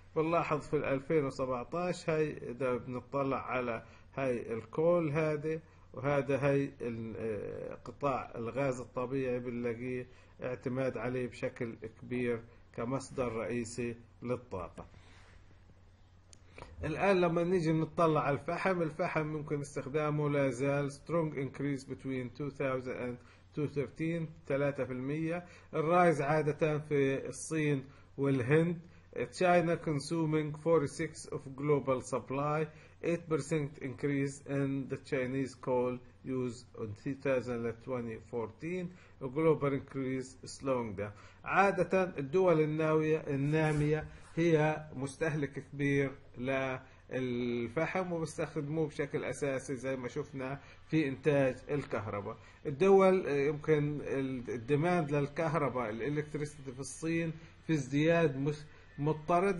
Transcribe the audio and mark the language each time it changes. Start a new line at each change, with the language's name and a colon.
Arabic: بنلاحظ في 2017 هاي اذا بنطلع على هاي الكول هذه، وهذا هاي قطاع الغاز الطبيعي بنلاقيه اعتماد عليه بشكل كبير كمصدر رئيسي للطاقة. الآن لما نيجي نطلع على الفحم، الفحم ممكن استخدامه لا زال
English: strong increase between 2013 3%.
Arabic: الرايز عادة في الصين والهند.
English: China consuming 46% of global supply. 8% increase in the Chinese coal use in 2014. Global increase slowing down.
Arabic: عادة الدول النامية هي مستهلك كبير للفحم وبيستخدموه بشكل أساسي زي ما شفنا في إنتاج الكهرباء. الدول يمكن الديماند للكهرباء الإلكتريستي في الصين في ازدياد مضطرد.